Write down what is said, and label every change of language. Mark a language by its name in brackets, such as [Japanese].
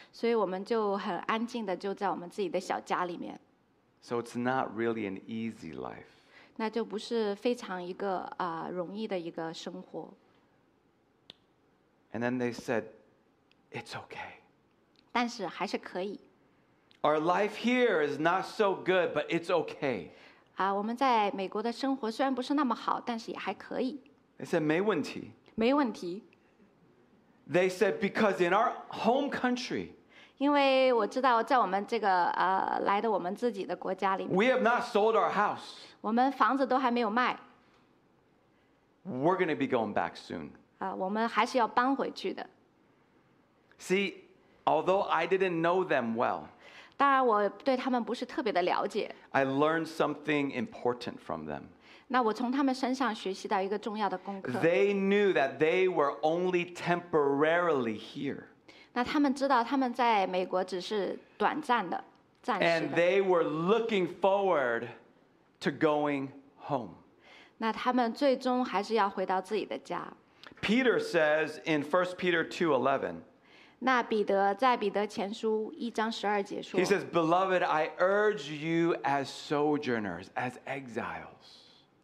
[Chinese] 所以我们就很安静的就在我们自己的小家里面。 [English] So it's not really an easy life. [Chinese] 那就不是非常一个容易的一个生活。 [English] And then they said, it's okay. [Chinese] 但是还是可以。 [English] Our life here is not so good, but it's okay. [Chinese] 我们在美国的生活虽然不是那么好，但是也还可以。 [English] They said, [Chinese] 没问题。没问题。 [English] They said, because in our home country, [Chinese] 因为我知道在我们这个来的我们自己的国家里面 [English] we have not sold our house. [Chinese] 我们房子都还没有卖。 [English] We're going to be going back soon. [Chinese] 我们还是要搬回去的。 [English] See, although I didn't know them well, [Chinese] 当然我对他们不是特别的了解。 [English] I learned something important from them. [Chinese] 那我从他们身上学习到一个重要的功课。 [English] They knew that they were only temporarily here. [Chinese] 那他们知道他们在美国只是短暂的，暂时的。 [English] And they were looking forward to going home. [Chinese] 那他们最终还是要回到自己的家。 [English] Peter says in 1 Peter 2:11, [Chinese] 那彼得在彼得前书一章十二节说 [English] He says, Beloved, I urge you as sojourners, as exiles.